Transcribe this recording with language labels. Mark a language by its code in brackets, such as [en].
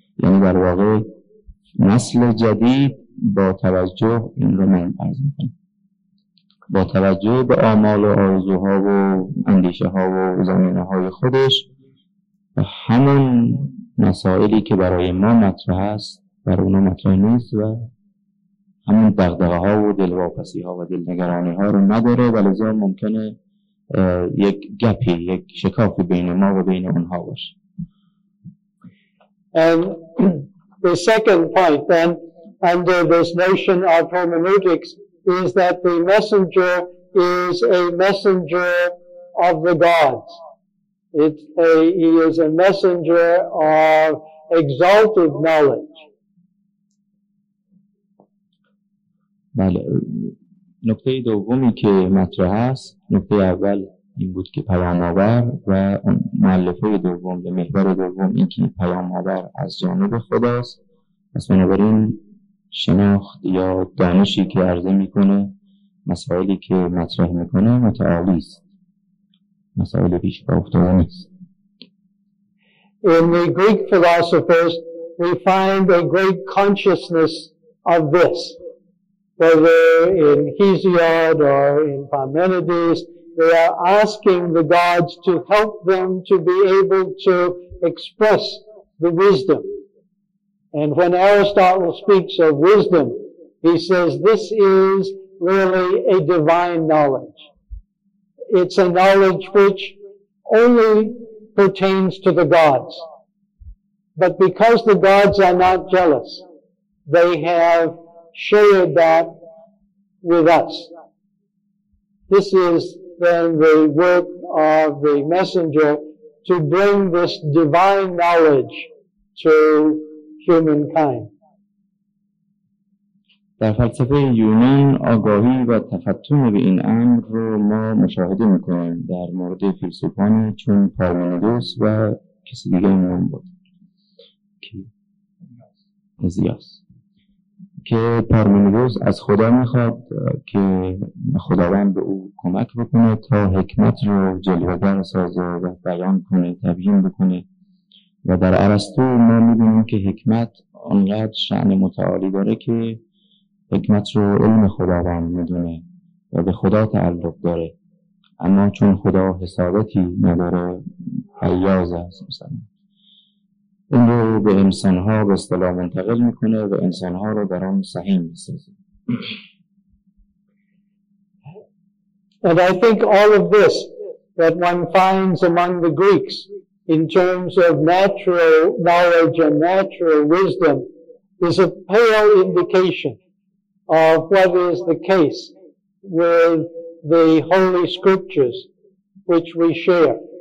[fa] یعنی در واقع نسل جدید با توجه این رو من عرض میکنم، با توجه به آمال و آرزوها و اندیشه ها و زمینه های خودش، همون مسائلی که برای ما مطرح است برای اونا مطرح نیست و همون دغدغه ها و دلواپسی ها و دلنگرانی ها رو نداره، ولی ممکنه یک گپی، یک شکافی بین ما و بین اونها باشه. [en] And the second point then under this notion of hermeneutics is that the messenger is a messenger of the gods. He is a messenger of exalted knowledge. [fa] بله، نکته دومی که مطرح است، نکته اول این بود که پیام آور و مؤلفه دوم به محور دوم این که پیام آور از جانب خداست. پس بنابراین شناخت یا دانشی که عرضه میکنه، مسائلی که مطرح میکنه متعالی است، مسائل پیش پا افتاده نیست. [en] in the Greek philosophers, we find a great consciousness of this. Whether in Hesiod or in Parmenides, they are asking the gods to help them to be able to express the wisdom. And when Aristotle speaks of wisdom, he says this is really a divine knowledge. It's a knowledge which only pertains to the gods. But because the gods are not jealous, they have shared that with us. This is then the work of the messenger to bring this divine knowledge to humankind. [fa] در فلسفه یونان آگاهی و تفتون به این امر رو ما مشاهده میکنیم در مورد فیلسوفان چون پارمنیدس و کسی دیگه هم بود. هزیاس که پارمنیدس از خدا میخواد که خداوند به او کمک بکنه تا حکمت رو جلوه‌گر سازه و بیان کنه، تبیین بکنه. و در ارسطو ما میبینیم که حکمت آنقدر شأن متعالی داره که حکمت رو علم خداوند میدونه و به خدا تعلق داره، اما چون خدا حسابتی نداره، فیاض است. مثلا این رو به انسان‌ها به اصطلاح منتقل می‌کنه و انسان‌ها رو در آن صحیح می‌سازه. [en] And I think all of this that one finds among the Greeks in terms of natural knowledge and natural wisdom is a pale indication of what is the case with the holy scriptures which we share.